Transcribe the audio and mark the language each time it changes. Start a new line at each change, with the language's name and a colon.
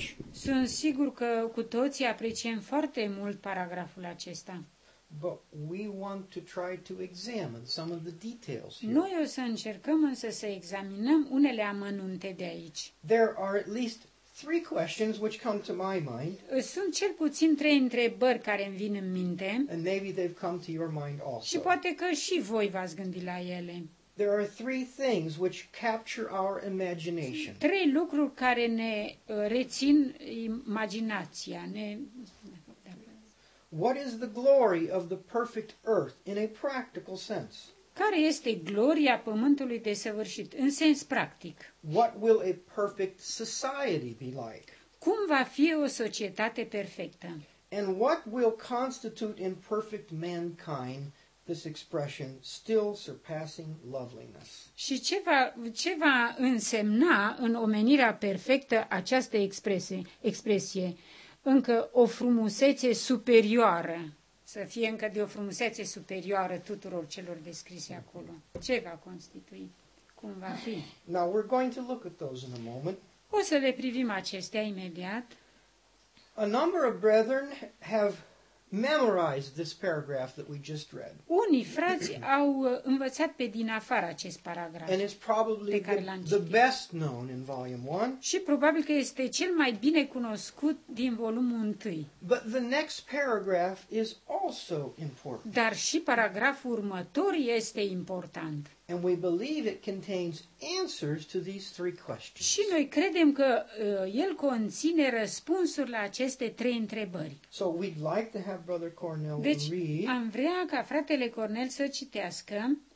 Romanian: Sunt sigur că cu toții apreciem foarte mult paragraful acesta.
English: But we want to try to examine some of the details here.
Romanian: Noi o să încercăm însă să examinăm unele amănunte de aici.
English: There are at least three questions which come to my mind.
Romanian: Sunt cel puțin trei întrebări care îmi vin în minte.
English: And maybe they've come to your mind also.
Romanian: Și poate că și voi v-ați gândit la ele.
English: There are three things which capture our imagination.
Romanian: Trei lucruri care ne rețin imaginația, ne...
English: What is the glory of the perfect earth in a practical sense?
Romanian: Care este gloria pământului desăvârșit în sens practic?
English: What will a perfect society be like?
Romanian: Cum va fi o societate perfectă?
English: And what will constitute in perfect mankind this expression still surpassing loveliness?
Romanian: Și ce va însemna în omenirea perfectă această expresie? Încă o frumusețe superioară, să fie încă de o frumusețe superioară tuturor celor descrise acolo. Ce va constitui? Cum va fi?
English: Now we're going to look at those in a moment.
Romanian: O să le privim acestea imediat.
English: A number of brethren have memorized this paragraph that we just read.
Romanian: Unii frați au învățat pe din afară acest paragraf.
English: And it's probably the best known in volume 1.
Romanian: Și probabil că este cel mai bine cunoscut din volumul 1.
English: But the next paragraph is also important.
Romanian: Dar și paragraful următor este important.
English: And we believe it contains answers to these three questions.
Romanian: Și noi credem că el conține răspunsuri la aceste trei întrebări.
English: So we'd like to have Brother Cornell
Romanian: deci,
English: read.
Romanian: Am vrea ca fratele Cornel să citească